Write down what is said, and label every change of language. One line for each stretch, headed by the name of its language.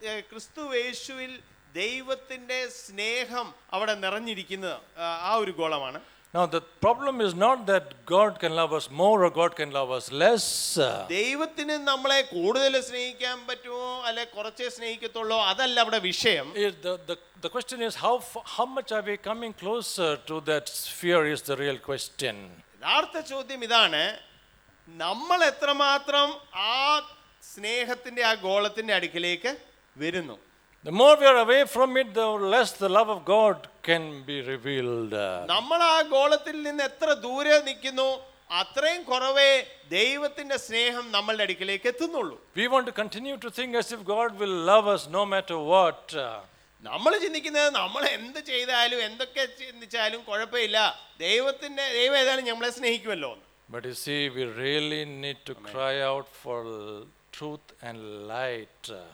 Malayalam: ക്രിസ്തു യേശുവിൽ ദൈവത്തിൻ്റെ സ്നേഹം അവിടെ നിറഞ്ഞിരിക്കുന്നത് ആ ഒരു ഗോളമാണ്.
English: Now the problem is not that God can love us more or God can love us less.
Malayalam: ദൈവത്തിനെ നമ്മളെ കൂടുതൽ സ്നേഹിക്കാൻ പറ്റുമോ അല്ലെ കുറച്ച് സ്നേഹിക്കത്തുള്ളോ അതല്ല അവിടെ വിഷയം.
English: The question is how much are we coming closer to that sphere is the real question.
Malayalam: യഥാർത്ഥ ചോദ്യം ഇതാണ്, നമ്മൾ എത്രമാത്രം ആ സ്നേഹത്തിന്റെ ആ ഗോളത്തിന്റെ അടുക്കിലേക്ക് വരുന്നു.
English: The more we are away from it, the less the love of God can be revealed.
Malayalam: നമ്മള ആ ഗോളത്തിൽ നിന്ന് എത്ര ദൂരെ നിൽക്കുന്നു അത്രയും കുറവേ ദൈവത്തിന്റെ സ്നേഹം നമ്മളുടെ അടുക്കിലേക്ക് എത്തുന്നുള്ളൂ.
English: We want to continue to think as if God will love us no matter what.
Malayalam: നമ്മൾ ചിന്തിക്കുന്നത് നമ്മൾ എന്ത് ചെയ്താലും എന്തൊക്കെ ചിന്തിച്ചാലും കുഴപ്പമില്ല, ദൈവത്തിന്റെ ദൈവം ഏതായാലും നമ്മളെ സ്നേഹിക്കുമല്ലോ.
English: But you see, we really need to cry out for truth and light.